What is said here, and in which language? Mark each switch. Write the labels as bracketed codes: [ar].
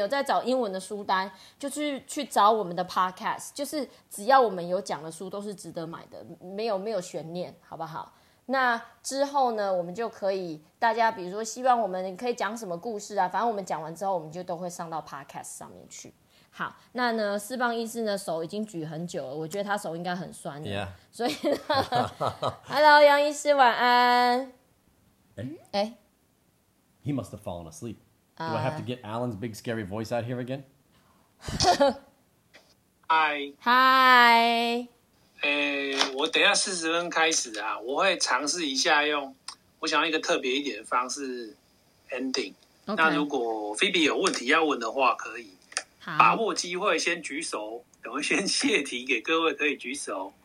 [zh] 那之后呢，我们选书就会比较自由了。也不是，其实之前过去这六个月这23本书，说真的，我们选的书就是都很好书。如果你们有在找英文的书单，就去找我们的 podcast， 就是只要我们有讲的书都是值得买的，没有悬念，好不好？那之后呢，我们就可以大家比如说希望我们可以讲什么故事啊，反正我们讲完之后，我们就都会上到 podcast 上面去。好，那呢？四棒医师呢？手已经举很久了，我觉得他手应该很酸的。所以，Hello， 杨医师，晚安。哎 [en] ，He must have fallen asleep. Do I have to get Alan's big scary voice out here again? Hi. Hi. [zh] 我等一下四十分开始啊，我会尝试一下用，我想要一个特别一点的方式 ending。 [en] Okay. [zh] 那如果 Phoebe 有问题要问的话，可以把握机会先举手，等会先泄题给各位可以举手。